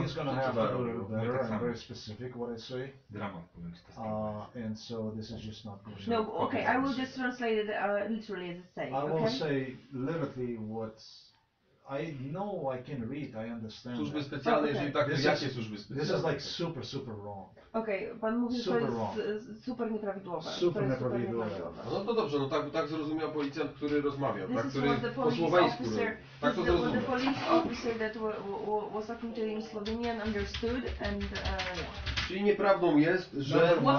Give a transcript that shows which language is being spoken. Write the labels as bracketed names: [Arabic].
[English] he's going to have to go to there, and very specific what I say. And so this is just not going to happen. No, okay, I will just translate it literally as it's saying. I will say literally what I know, I can read, I understand. [Polish] Służby specjalne, jeżeli tak, to jakie służby specjalne? [English] This is like super, super wrong. [Polish] Okej, pan mówi, że to jest super nieprawidłowe. Super nieprawidłowe. No to dobrze, no tak zrozumiał policjant, który rozmawiał. [English] This [Polish] który [English] is what the police officer, [Polish] tak, tak to zrozumiał. [English] The police officer that was talking to him in Slovenian understood and... [Polish] Czyli nieprawdą jest, że...